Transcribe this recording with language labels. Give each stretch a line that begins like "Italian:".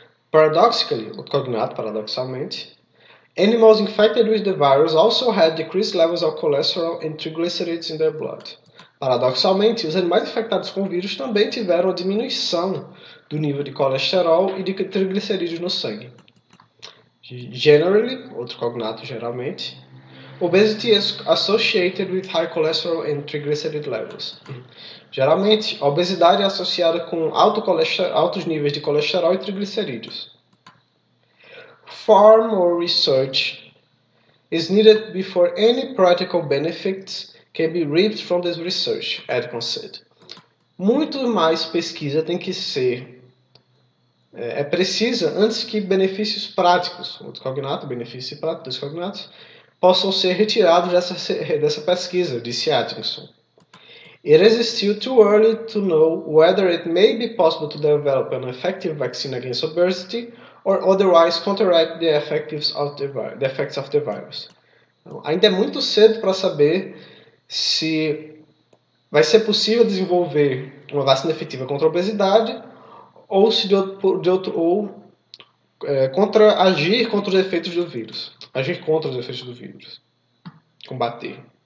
English: Paradoxically,
Portuguese: o cognato, paradoxalmente,
English: animals infected with the virus also had decreased levels of cholesterol and triglycerides in their blood.
Portuguese: Paradoxalmente, os animais infectados com o vírus também tiveram a diminuição do nível de colesterol e de triglicerídeos no sangue.
English: Generally,
Portuguese: outro cognato geralmente,
English: obesity is associated with high cholesterol and triglyceride levels.
Portuguese: Geralmente, a obesidade é associada com altos níveis de colesterol e triglicerídeos.
English: Far more research is needed before any practical benefits can be reaped from this research, Atkins said.
Portuguese: Muito mais pesquisa tem que ser é precisa antes que benefícios práticos, outro cognato, benefícios práticos, dois cognatos, possam ser retirados dessa pesquisa, disse Atkinson.
English: It is still too early to know whether it may be possible to develop an effective vaccine against obesity or otherwise counteract the effects of the virus.
Portuguese: Então, ainda é muito cedo para saber se vai ser possível desenvolver uma vacina efetiva contra a obesidade ou se de outro, contra agir contra os efeitos do vírus, agir contra os efeitos do vírus, combater.